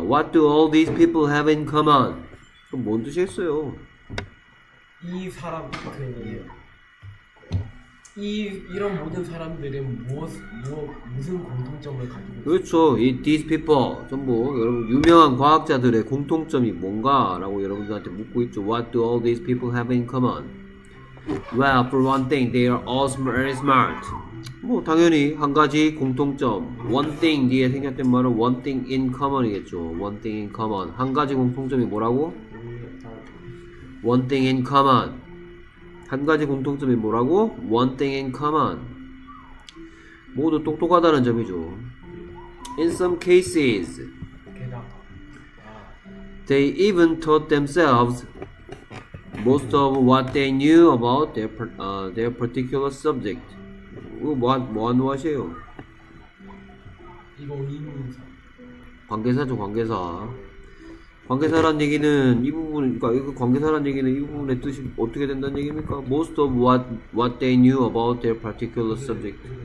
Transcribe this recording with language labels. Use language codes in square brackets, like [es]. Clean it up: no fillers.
[en] What do all these people have in common? [ko] 그럼 뭔 뜻이겠어요? 이 사람 이런 모든 사람들은 무슨 공통점을 가지고 있어요? 그렇죠. 이 [en] these people [ko] 전부 여러분 유명한 과학자들의 공통점이 뭔가라고 여러분들한테 묻고 있죠. [en] What do all these people have in common? Well, for one thing, they are all very smart. [ko] 뭐 당연히 한 가지 공통점 one thing 뒤에 생겼던 말은 [en] one thing in common [ko] 이겠죠 one thing in common 한 가지 공통점이 뭐라고? [en] one thing in common [ko] 한 가지 공통점이 뭐라고? [en] one thing in common [ko] 모두 똑똑하다는 점이죠 [en] in some cases they even taught themselves most of what they knew about their particular subject [ko] 이거 뭐하는 것이에요? 이거 의문사 관계사죠 관계사 관계사란 얘기는 이 부분 그러니까 이거 관계사란 얘기는 이 부분의 뜻이 어떻게 된다는 얘기입니까? [en] Most of what they knew about their particular subject